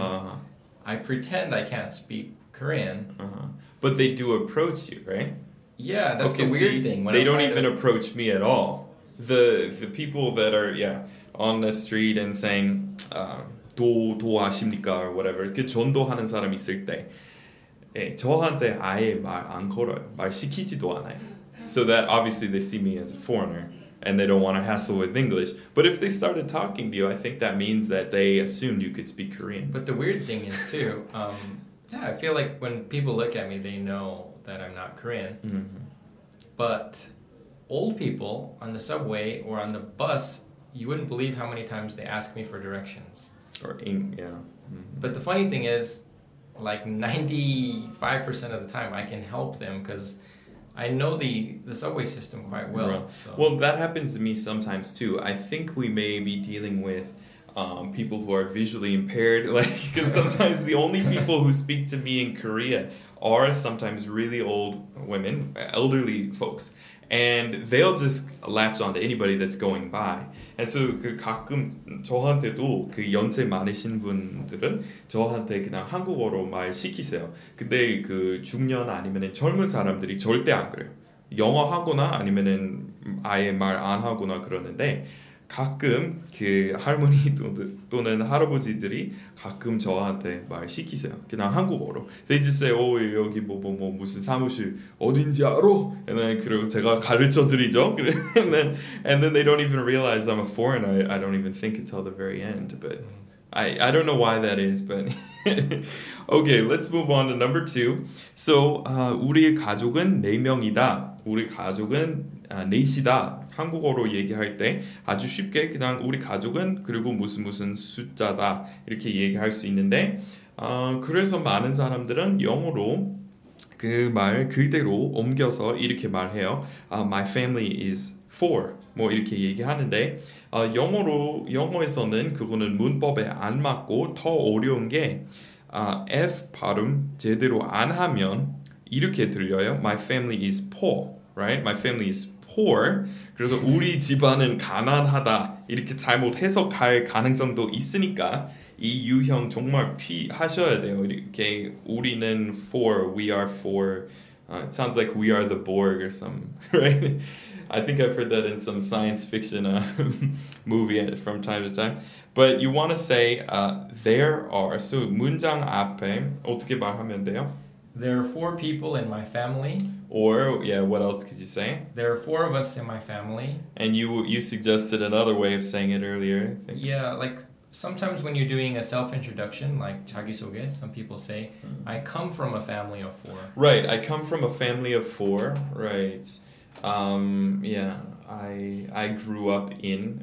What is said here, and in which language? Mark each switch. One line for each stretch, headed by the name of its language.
English: uh-huh. I pretend I can't speak Korean. Uh-huh. But they do approach you, right? Yeah, that's okay, the weird thing. When they don't even approach me at all. The people that are, yeah, on the street and saying,
Korean: 도하십니까?
English: Or whatever.
Korean: 그 전도하는 사람 있을 때, 예, 저한테 아예 말 안 걸어요. 말 시키지도 않아요.
English: So that obviously they see me as a foreigner and they don't want to hassle with English. But if they started talking to you, I think that means that they assumed you could speak Korean. But the weird thing is too, I feel like when people look at me, they know that I'm not Korean. Mm-hmm. But old people on the subway or on the bus, you wouldn't believe how many times they ask me for directions. Or ink, yeah. Mm-hmm. But the funny thing is, like 95% of the time, I can help them because... I know the subway system quite well. Right. So. Well, that happens to me sometimes too. I think we may be dealing with people who are visually impaired. Like, because sometimes the only people who speak to me in Korea are sometimes really old women, elderly folks. And they'll just latch on to anybody that's going by. And so
Korean: 그 가끔 저한테도 그 연세 많으신 분들은 저한테 그냥 한국어로 말 시키세요. 근데 그 중년 아니면 젊은 사람들이 절대 안 그래요. 영어 하거나 아니면 아예 말 안 하거나 그러는데 가끔 그 할머니 또는 할아버지들이 가끔 저한테 말 시키세요. 그냥 한국어로.
English: They just say, oh,
Korean: 여기 뭐 무슨 사무실 어딘지 알아?
English: And then
Korean: 그리고 제가 가르쳐 드리죠.
English: And then they don't even realize I'm a foreigner. I don't even think until the very end. But I don't know why that is, but... okay, let's move on to number two.
Korean: So, 우리 가족은 네 명이다. 우리 가족은 넷이다. 한국어로 얘기할 때 아주 쉽게 그냥 우리 가족은 그리고 무슨 무슨 숫자다 이렇게 얘기할 수 있는데 그래서 많은 사람들은 영어로 그 말 그대로 옮겨서 이렇게 말해요.
English: My family is four.
Korean: 뭐 이렇게 얘기하는데 영어에서는 그거는 문법에 안 맞고 더 어려운 게 F 발음 제대로 안 하면 이렇게 들려요.
English: My family is poor. Right? My family is poor.
Korean: 그래서 우리 집안은 가난하다. 이렇게 잘못 해석할 가능성도 있으니까 이 유형 정말 피하셔야 돼요. 이렇게 우리는
English: four, we are four. It sounds like we are the Borg or some, right? I think I've heard that in some science fiction movie from time to time. But you want to say there are.
Korean: So 문장 앞에 어떻게 말하면 돼요?
English: There are four people in my family. Or, yeah, what else could you say? There are four of us in my family. And you suggested another way of saying it earlier, I think. Yeah, like sometimes when you're doing a self-introduction, like 자기소개, some people say, I come from a family of four. Right, I come from a family of four, right. Yeah, I grew up in...